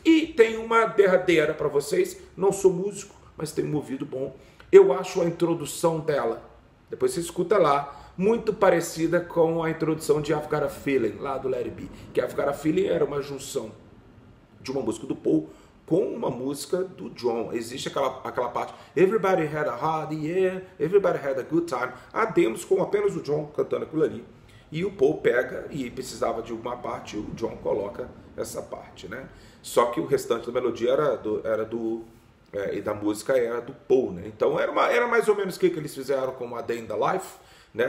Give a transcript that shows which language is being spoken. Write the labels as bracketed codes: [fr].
[pt] E tem uma derradeira para vocês, não sou músico, mas tenho um ouvido bom. Eu acho a introdução dela, depois você escuta lá, muito parecida com a introdução de I've Got a Feeling, lá do Let It Be. Que I've Got a Feeling era uma junção de uma música do Paul com uma música do John. Existe aquela parte: [en] Everybody had a hard year, everybody had a good time. [pt] Há demos com apenas o John cantando aquilo ali. E o Paul pega e precisava de alguma parte, o John coloca essa parte, né? Só que o restante da melodia era E da música era do Paul, né? Então era mais ou menos o que eles fizeram com A Day in the Life, né?